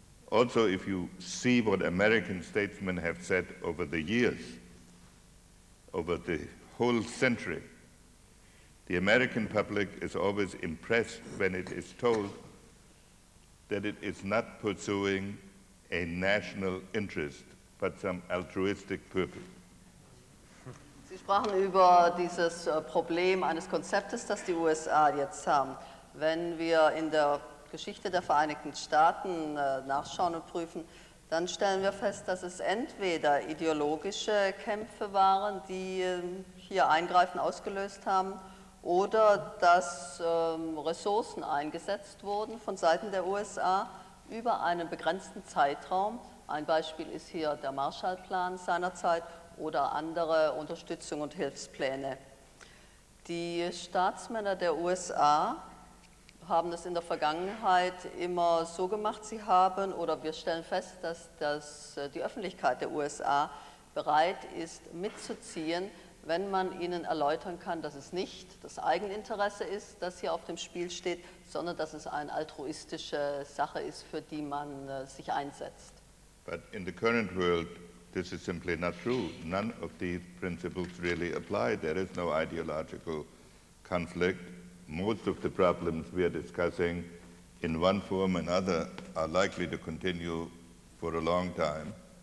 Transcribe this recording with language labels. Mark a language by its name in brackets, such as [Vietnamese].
[English] Also, if you see what American statesmen have said over the years, over the whole century, the American public is always impressed when it is told that it is not pursuing a national interest, but some altruistic purpose. [German] Sie sprachen über dieses Problem eines Konzeptes, das die USA jetzt haben. Wenn wir in der Geschichte der Vereinigten Staaten nachschauen und prüfen, dann stellen wir fest, dass es entweder ideologische Kämpfe waren, die hier Eingreifen ausgelöst haben, oder dass Ressourcen eingesetzt wurden von Seiten der USA über einen begrenzten Zeitraum. Ein Beispiel ist hier der Marshallplan seinerzeit oder andere Unterstützung und Hilfspläne. Die Staatsmänner der USA haben das in der Vergangenheit immer so gemacht, sie haben, oder wir stellen fest, dass die Öffentlichkeit der USA bereit ist, mitzuziehen, wenn man ihnen erläutern kann, dass es nicht das Eigeninteresse ist, das hier auf dem Spiel steht, sondern dass es eine altruistische Sache ist, für die man sich einsetzt. [English] But in the current world, this is simply not true. None of these principles really apply. There is no ideological conflict. Most of the problems we are discussing in one form or another are likely to continue for a long time.